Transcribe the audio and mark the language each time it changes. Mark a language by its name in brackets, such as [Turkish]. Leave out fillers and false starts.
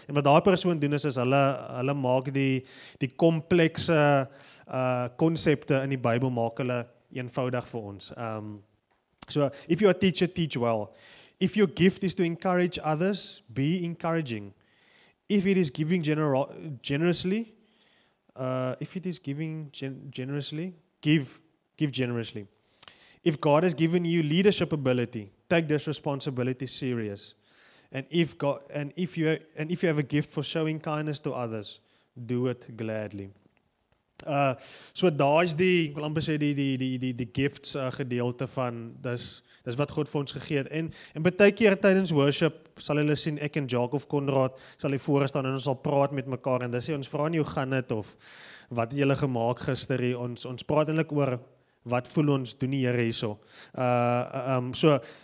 [Afrikaans] En wat daai persoon doen is hulle maak die komplekse konsepte in die Bybel maak hulle eenvoudig vir ons. [English] So, if you are a teacher, teach well. If your gift is to encourage others, be encouraging. If it is giving generously, give generously. If God has given you leadership ability, take this responsibility serious. And if you have a gift for showing kindness to others, do it gladly. [Afrikaans] So daar is die, ek wil amper sê die gifts gedeelte van, dis wat God vir ons gegee het. En baie keer tydens worship sal hulle sien, ek en Jacob Conrad sal hier voor staan en ons sal praat met mekaar, en dis sê ons vra nie hoe gaan dit of wat het julle gemaak gister hier, ons praat eintlik oor wat voel ons doen die Here hierso. So